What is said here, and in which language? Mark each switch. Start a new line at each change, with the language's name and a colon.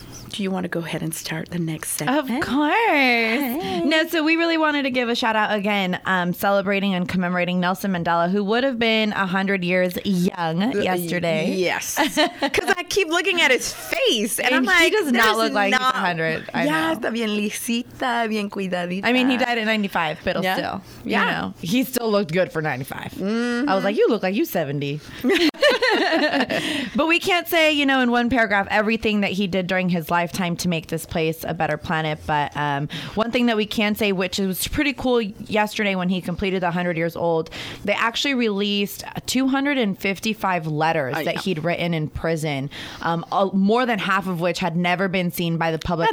English: Do you want to go ahead and start the next segment? Of course. No, so we really wanted to give a shout out again, celebrating and commemorating Nelson Mandela, who would have been 100 years young yesterday. Yes. Because I keep looking at his face, and I'm like, he does not look like he's 100. Yeah,
Spanish: está bien lisita, bien cuidadita.
English: I mean, he died at 95, but still. Yeah. You know, he still looked good for 95. Mm-hmm. I was like, you look like you 70. But we can't say, you know, in one paragraph, everything that he did during his lifetime to make this place a better planet. But one thing that we can say, which was pretty cool yesterday when he completed 100 years old, they actually released 255 letters that he'd written in prison, more than half of which had never been seen by the public